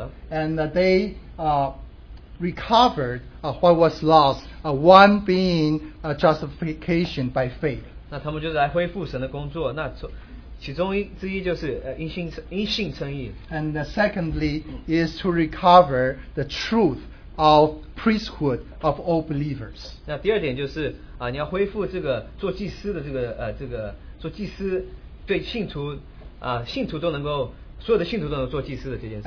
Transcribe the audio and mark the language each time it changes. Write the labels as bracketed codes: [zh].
[en] And they recovered what was lost, one being justification by faith. [zh] 那他们就是来恢复神的工作，那其中之一就是因信称义。 [en] And secondly is to recover the truth of priesthood of all believers. [zh] 那第二点就是你要恢复这个做祭司的这个做祭司对信徒啊信徒都能够所有的信徒都能做祭司的这件事。